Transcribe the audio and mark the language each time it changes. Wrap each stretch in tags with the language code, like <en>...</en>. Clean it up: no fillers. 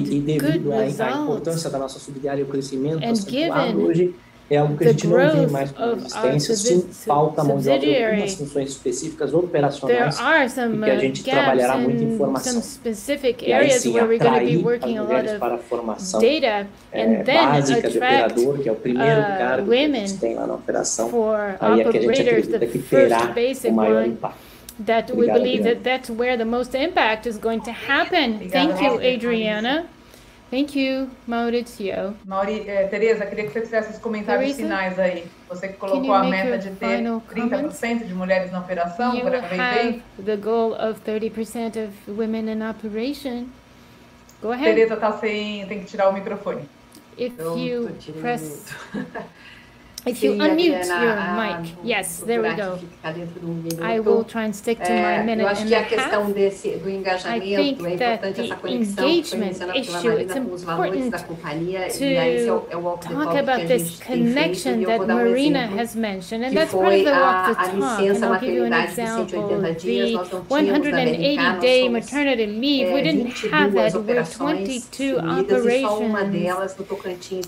<pt>e devido à importância da nossa subsidiária e o crescimento acentuado hoje, é algo que a gente não vê mais com resistência, sim, falta mão de obra em algumas funções específicas operacionais e que a gente trabalhará muito em formação. E aí sim, atrair as mulheres para a formação básica de operador, que é o primeiro cargo que a gente tem lá na operação, aí é que a gente acredita que terá o maior impacto.</pt> <en>That we believe that that's where the most impact is going to happen. Thank you, Adriana. Thank you, Maurizio.</en> <pt>Tereza, queria que você fizesse os comentários finais aí. Você colocou a meta de ter 30% de mulheres na operação, para ver bem.</pt> <en>The goal of 30% of women in operation. Go ahead.</en> <pt>Tereza está sem, tem que tirar o microfone.</pt> <en>If you press, if you unmute your mic, yes, there we go. I will try and stick to my minute and a half.</en> <pt>Eu acho que a questão desse do engajamento é importante, essa conexão que foi mencionada pela Marina com os valores da companhia, e esse é o</pt> <en>walk the talk</en> <pt>que a gente tem feito. E eu vou dar um exemplo que foi a licença maternidade de 180 dias. Nós não tínhamos na americana, nós tínhamos 22 operações unidas, e só uma delas no Tocantins</pt>